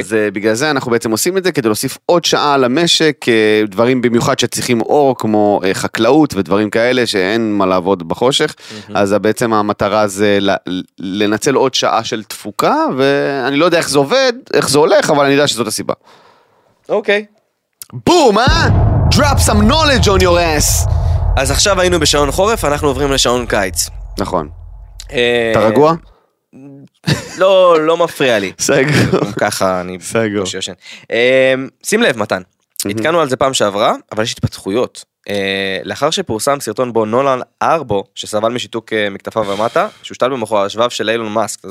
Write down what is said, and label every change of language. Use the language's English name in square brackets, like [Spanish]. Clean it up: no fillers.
[Hebrew] אז בגלל זה אנחנו בעצם עושים את זה, כדי להוסיף עוד שעה על המשק, דברים במיוחד שצריכים אור, כמו חקלאות ודברים כאלה, שאין מה לעבוד בחושך, אז בעצם המטרה זה לנצל עוד שעה של תפוקה, ואני לא יודע איך זה עובד, איך זה הולך, אבל אני יודע שזאת הסיבה. אוקיי. בום, אה? [English] Drop some knowledge on your ass! [Hebrew] אז עכשיו היינו בשעון חורף, אנחנו עוברים לשעון קיץ. נכון. אתה רגוע? לא, לא מפריע לי. סגור. ככה אני... סגור. שים לב, מתן. התקנו על זה פעם שעברה, אבל יש התפתחויות. לאחר שפורסם סרטון בו נולן ארבו, שסבל משיתוק מכתפיו ומטה, שהושתל במוחו השבב של אילון מאסק.